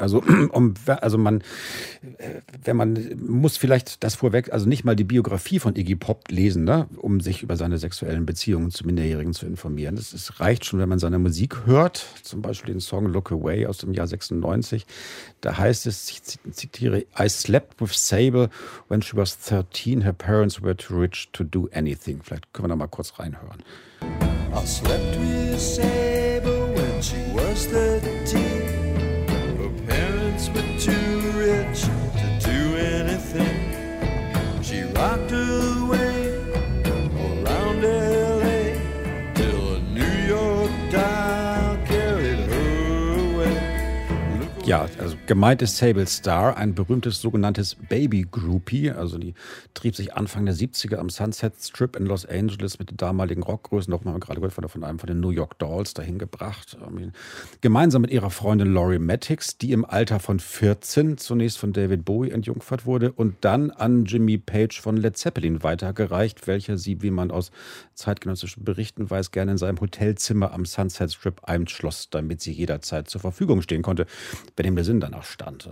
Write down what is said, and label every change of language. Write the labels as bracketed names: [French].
[German] Also, man muss vielleicht das vorweg, also nicht mal die Biografie von Iggy Pop lesen, ne, um sich über seine sexuellen Beziehungen zu Minderjährigen zu informieren. Es reicht schon, wenn man seine Musik hört, zum Beispiel den Song Look Away aus dem Jahr 96. Da heißt es, ich zitiere, [English] I slept with Sable when she was 13. Her parents were too rich to do anything. [German] Vielleicht können wir nochmal kurz reinhören. [English] I slept with Sable when she was 13. Her parents were too rich to do anything. She rocked away around L.A. till a New York doll carried her away. [German] Ja, also gemeint ist Sable Star, ein berühmtes sogenanntes Baby Groupie. Also die trieb sich Anfang der 70er am Sunset Strip in Los Angeles mit den damaligen Rockgrößen, noch mal gerade gehört von einem von den New York Dolls dahin gebracht. Gemeinsam mit ihrer Freundin Laurie Mattox, die im Alter von 14 zunächst von David Bowie entjungfert wurde und dann an Jimmy Page von Led Zeppelin weitergereicht, welcher sie, wie man aus zeitgenössischen Berichten weiß, gerne in seinem Hotelzimmer am Sunset Strip einschloss, damit sie jederzeit zur Verfügung stehen konnte, wenn dem der Sinn danach stand.